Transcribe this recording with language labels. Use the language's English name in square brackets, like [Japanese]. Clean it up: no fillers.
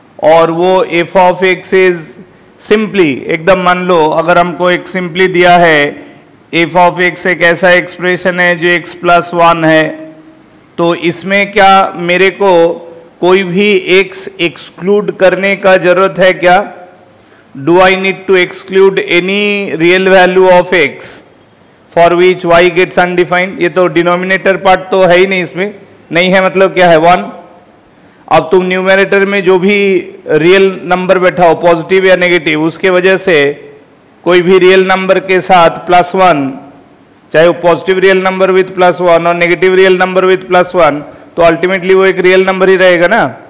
[Hindi] और वो F of x is simply, एकदम मान लो अगर हमको एक सिंपली दिया है एफ ऑफ एक्स एक ऐसा एक्सप्रेशन है जो एक्स प्लस वन है, तो इसमें क्या मेरे को कोई भी एक्स एक्सक्लूड करने का जरूरत है क्या? [English] Do I need to exclude any real value of x for which y gets undefined? [Hindi] ये तो denominator part तो है ही नहीं, इसमें नहीं है, मतलब क्या है? [English] One. [Hindi] अब तुम numerator में जो भी real number बैठा हो, positive या negative, उसके वजह से कोई भी real number के साथ plus one, चाहे वो [English] positive real number with plus one [Hindi] और [English] negative real number with plus one, [Hindi] तो ultimately वो एक real number ही रहेगा ना.